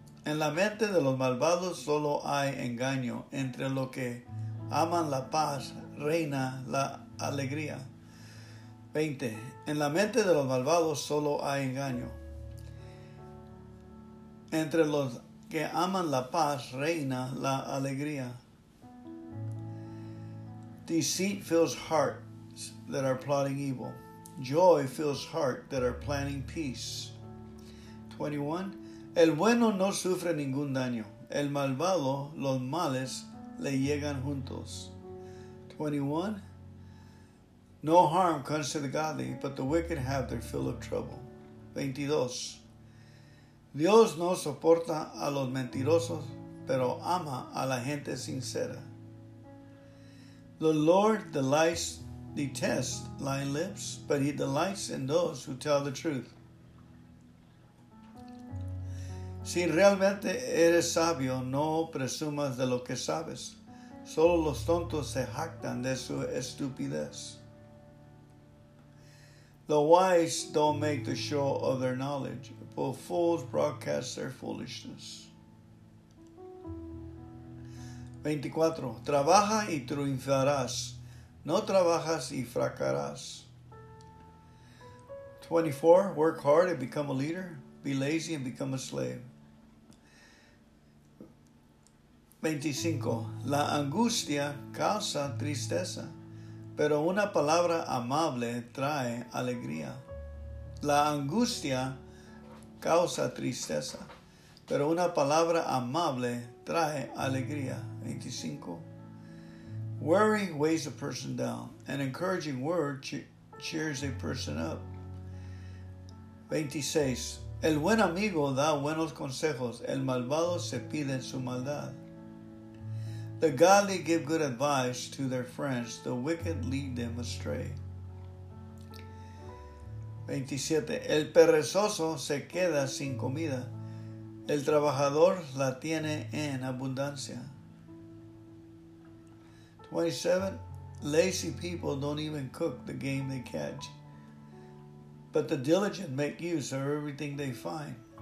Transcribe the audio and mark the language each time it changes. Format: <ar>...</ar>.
<es>En la mente de los malvados solo hay engaño. Entre los que aman la paz reina la alegría. 20. En la mente de los malvados solo hay engaño. Entre los que aman la paz reina la alegría.</es> <en>Deceit fills hearts that are plotting evil. Joy fills hearts that are planning peace.</en> <es>21. El bueno no sufre ningún daño. El malvado, los males, le llegan juntos.</es> <en>21. No harm comes to the godly, but the wicked have their fill of trouble.</en> <es>22. Dios no soporta a los mentirosos, pero ama a la gente sincera.</es> <en>The Lord detests lying lips, but he delights in those who tell the truth.</en> <es>Si realmente eres sabio, no presumas de lo que sabes. Solo los tontos se jactan de su estupidez.</es> <en>The wise don't make the show of their knowledge, but fools broadcast their foolishness.</en> <es>24. Trabaja y triunfarás. No trabajas y fracasarás.</es> <en>24. Work hard and become a leader. Be lazy and become a slave.</en> <es>25. La angustia causa tristeza, pero una palabra amable trae alegría. La angustia causa tristeza, pero una palabra amable trae alegría.</es> <en>25. Worry weighs a person down. An encouraging word cheers a person up.</en> <es>26. El buen amigo da buenos consejos. El malvado se pide en su maldad.</es> <en>The godly give good advice to their friends. The wicked lead them astray.</en> <es>27. El perezoso se queda sin comida. El trabajador la tiene en abundancia.</es> <en>27. Lazy people don't even cook the game they catch, but the diligent make use of everything they find.</en>